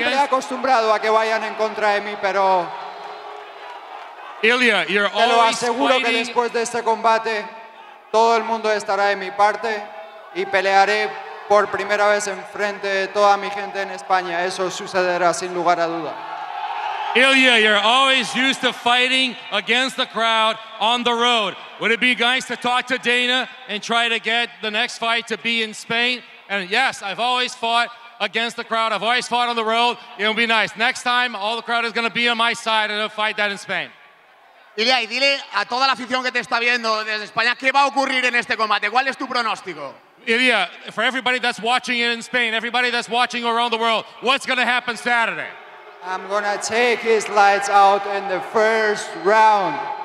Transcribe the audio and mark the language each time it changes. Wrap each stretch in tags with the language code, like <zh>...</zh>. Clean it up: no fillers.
<es>Estoy siempre acostumbrado a que vayan en contra de mí, pero...</es> <en>Ilia, you're always fighting...</en> <es>Te lo aseguro que después de este combate, todo el mundo estará de mi parte y pelearé por primera vez en frente de toda mi gente en España. Eso sucederá sin lugar a duda.</es> <en>Ilia, you're always used to fighting against the crowd on the road. Would it be nice to talk to Dana and try to get the next fight to be in Spain? And yes, I've always fought against the crowd. I've always fought on the road. It'll be nice. Next time, all the crowd is going to be on my side and I'll fight that in Spain.</en> <es>Ilia, y dile a toda la afición que te está viendo desde España qué va a ocurrir en este combate. ¿Cuál es tu pronóstico?</es> <en>Ilia, for everybody that's watching it in Spain, everybody that's watching around the world, what's going to happen Saturday? I'm going to take his lights out in the first round.</en>